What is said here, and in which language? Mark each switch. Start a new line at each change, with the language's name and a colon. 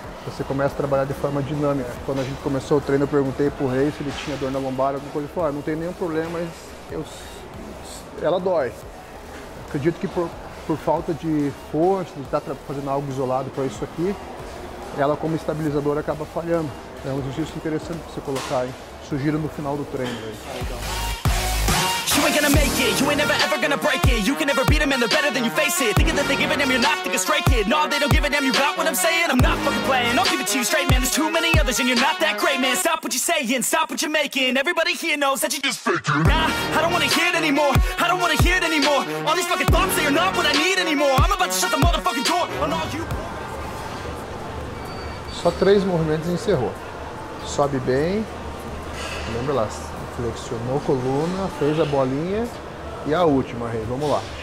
Portuguese: Você começa a trabalhar de forma dinâmica. Quando a gente começou o treino, eu perguntei pro Rei se ele tinha dor na lombar, alguma coisa. Ele falou, ah, não tem nenhum problema, mas ela dói. Acredito que por falta de força, de estar fazendo algo isolado para isso aqui, ela como estabilizadora acaba falhando. É um exercício interessante para você colocar, hein? Sugiro no final do treino. Aí.
English: You ain't gonna make it, you ain't never ever gonna break it. You can never beat them and they're better than you face it. Thinking that they give a damn, you're not thinking straight, kid. No, they don't give a damn, you got what I'm saying? I'm not fucking playing, I'll give it to you straight, man. There's too many others and you're not that great, man. Stop what you're saying, stop what you're making. Everybody here knows that you're just faking. Nah, I don't wanna hear it anymore, I don't wanna hear it anymore. All these fucking thoughts, they are not what I need anymore. I'm about to shut the motherfucking door on all you.
Portuguese: Só três movimentos e encerrou. Sobe bem. Lembra lá. Flexionou a coluna, fez a bolinha e a última, Rei. Vamos lá.